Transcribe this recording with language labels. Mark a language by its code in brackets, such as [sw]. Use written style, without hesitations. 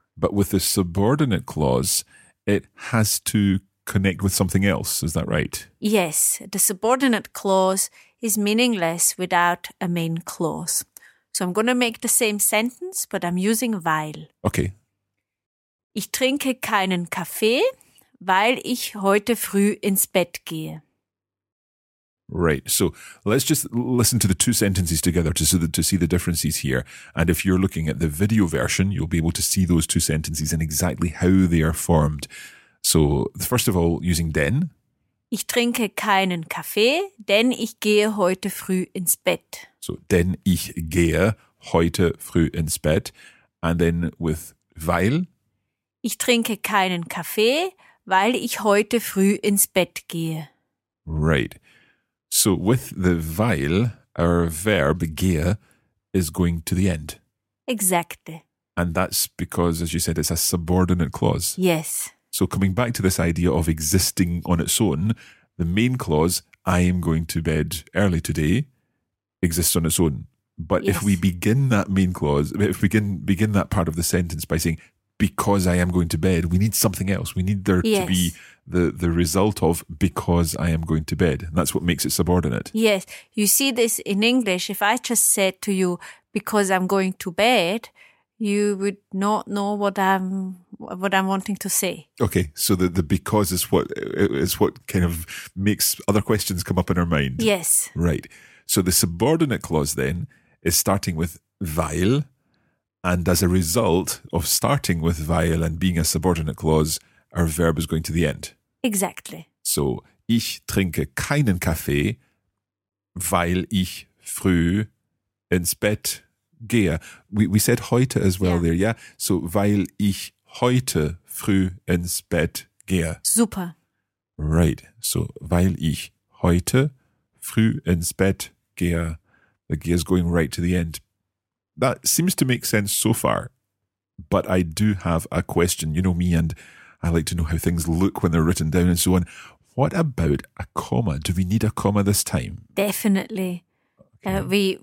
[en] But with the subordinate clause, it has to connect with something else, is that right? Yes, the subordinate clause is meaningless without a main clause. So I'm going to make the same sentence, but I'm using weil. Okay. [de] Ich trinke keinen Kaffee, weil ich heute früh ins Bett gehe. [en] Right, so let's just listen to the two sentences together to see the differences here. And if you're looking at the video version, you'll be able to see those two sentences and exactly how they are formed. So, first of all, using denn. [de] Ich trinke keinen Kaffee, denn ich gehe heute früh ins Bett. So, denn ich gehe heute früh ins Bett. [en] And then with weil. [de] Ich trinke keinen Kaffee, weil ich heute früh ins Bett gehe. [en] Right. So, with the weil, our verb gehe is going to the end. Exactly. And that's because, as you said, it's a subordinate clause. Yes. So coming back to this idea of existing on its own, the main clause, I am going to bed early today, exists on its own. But yes. If we begin that main clause, if we begin that part of the sentence by saying, because I am going to bed, we need something else. We need there to be the result of because I am going to bed. And that's what makes it subordinate. Yes. You see this in English. If I just said to you, because I'm going to bed, you would not know what I'm wanting to say. Okay. So the because is what kind of makes other questions come up in our mind. Yes. Right. So the subordinate clause then is starting with weil. And as a result of starting with weil and being a subordinate clause, our verb is going to the end. Exactly. So, ich trinke keinen Kaffee, weil ich früh ins Bett gehe. We said heute as well there, yeah? So, [de] weil ich heute früh ins Bett gehe. [en] Super. Right. [de] So, weil ich heute früh ins Bett gehe. [en] The gehe is going right to the end. That seems to make sense so far, but I do have a question. You know me, and I like to know how things look when they're written down and so on. What about a comma? Do we need a comma this time? Definitely. Okay.